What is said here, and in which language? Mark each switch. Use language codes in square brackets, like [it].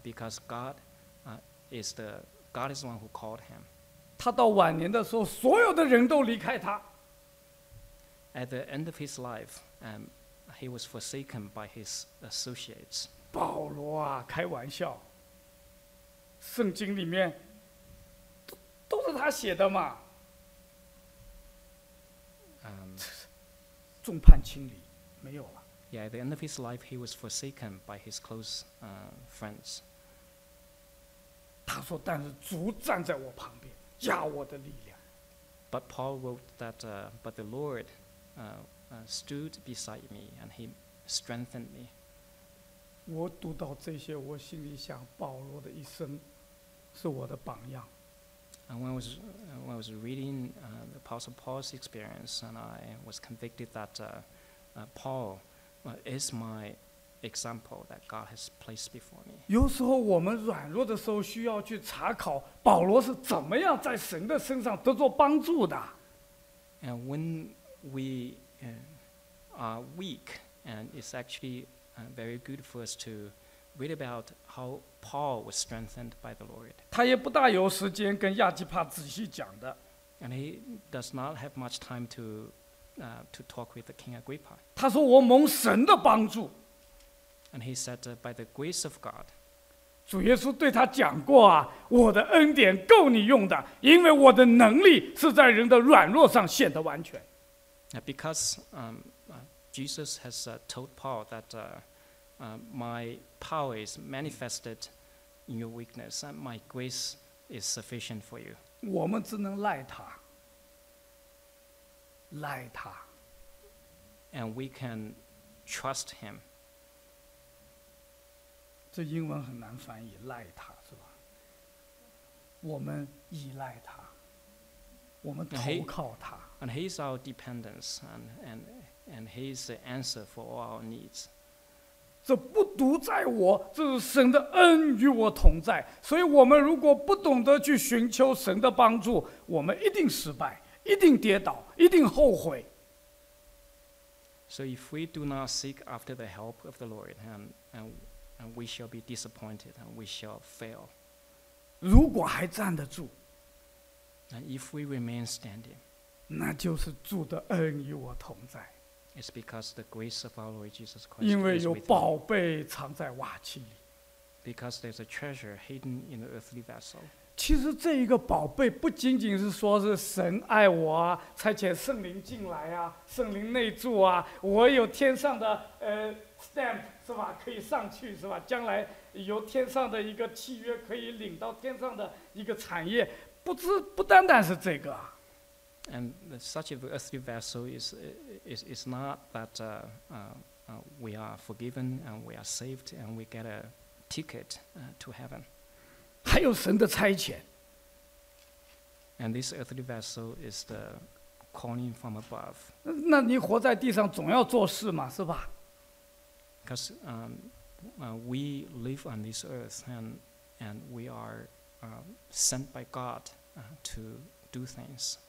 [en] Because God is the one who called him. [zh] 他到晚年的时候，所有的人都离开他。 [en] At the end of his life, he was forsaken by his associates. [zh] 保罗啊，开玩笑。圣经里面 都是他写的嘛，众叛亲离，没有了。 [en] Yeah, at the end of his life, he was forsaken by his close friends. [zh] 他说但是主站在我旁边加我的力量 [en] But Paul wrote that but the Lord stood beside me and he strengthened me [zh] 我读到这些我心里想保罗的一生是我的榜样 [en] And when I was reading the Apostle Paul's experience and I was convicted that Paul is my example that God has placed before me. [zh] 有时候我们软弱的时候需要去查考保罗是怎么样在神的身上得到帮助的。 [en] And when we are weak, and it's actually very good for us to read about how Paul was strengthened by the Lord. [zh] 他也不大有时间跟亚基帕仔细讲的。 [en] And he does not have much time to talk with the King Agrippa. [zh] 他说我蒙神的帮助。 [en] And he said, by the grace of God. [zh] 主耶稣对他讲过啊，我的恩典够你用的，因为我的能力是在人的软弱上显得完全。 [en] Because Jesus has told Paul that my power is manifested in your weakness, and my grace is sufficient for you. [zh] 我们只能赖他，赖他。 [en] And we can trust him. [zh] 这英文很难翻译，赖他是吧？我们依赖他，我们投靠他。 [en] And he is our dependence, and he is the answer for all our needs. [zh] 这不独在我，这是神的恩与我同在。所以，我们如果不懂得去寻求神的帮助，我们一定失败，一定跌倒，一定后悔。 [en] So if we do not seek after the help of the Lord, and we shall be disappointed and we shall fail. [zh] 如果还站得住 [en] and if we remain standing, [zh] 那就是主的恩与我同在 [en] it's because the grace of our Lord Jesus Christ [zh] 因为有宝贝藏在瓦器里 [en] because there's a treasure hidden in the earthly vessel. [zh] 其实这一个宝贝不仅仅是说是神爱我啊差遣圣灵进来啊圣灵内住啊我有天上的stamp 是吧可以上去是吧将来由天上的一个契约可以领到天上的一个产业不单单是这个 [en] and such an earthly vessel is not that we are forgiven and we are saved and we get a ticket to heaven [zh] 还有神的差遣 [en] and this earthly vessel is the calling from above [zh] 那你活在地上总要做事嘛是吧 [en] Because we live on this earth and we are sent by God to do things.